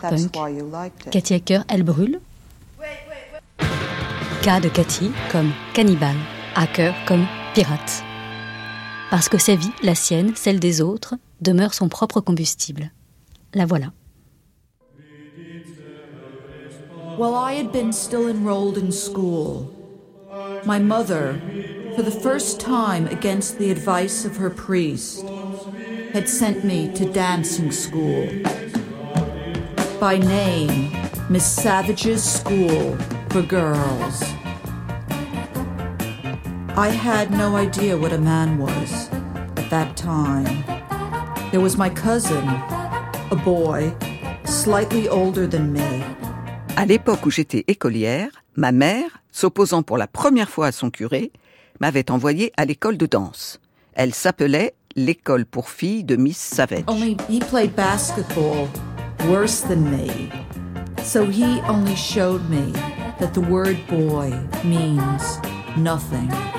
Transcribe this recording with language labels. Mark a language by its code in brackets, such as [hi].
[en] that's [fr] punk. Cathy Hacker, elle brûle. Cas de Cathy comme cannibale, hacker comme pirate. Parce que sa vie, la sienne, celle des autres, demeure son propre combustible. La voilà. [en] While I had been still enrolled in school, my mother, for the first time against the advice of her priest, had sent me to dancing school. By name, Miss Savage's School for Girls. I had no idea what a man was at that time. There was my cousin, a boy, slightly older than me. [fr] À l'époque où j'étais écolière, ma mère, s'opposant pour la première fois à son curé, m'avait envoyée à l'école de danse. Elle s'appelait l'école pour filles de Miss Savage. [en] Only he played basketball worse than me. So he only showed me that the word boy means nothing.